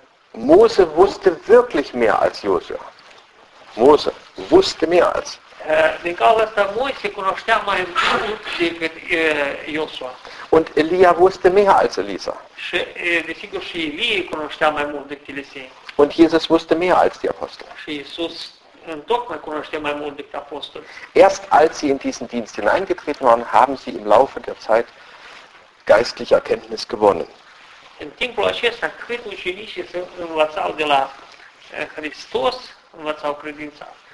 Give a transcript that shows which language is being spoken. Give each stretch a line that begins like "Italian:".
German: Mose wusste wirklich mehr als Josua. Mose wusste mehr als.
Romanian: Din cauza asta Mose cunoștea mai mult decât Josua.
German: Und Elia wusste mehr als Elisa.
Romanian: Și desigur și Elie cunoștea mai mult decât Elisei.
German: Und Jesus wusste mehr als die Apostel.
Romanian: Și Iisus tocmai cunoștea mai mult decât Apostol.
German: Erst als sie in diesen Dienst hineingetreten waren, haben sie im Laufe der Zeit geistliche Erkenntnis gewonnen.
Romanian: În timpul acesta, cât ucenicii se învățau de la Hristos, învăța o credință.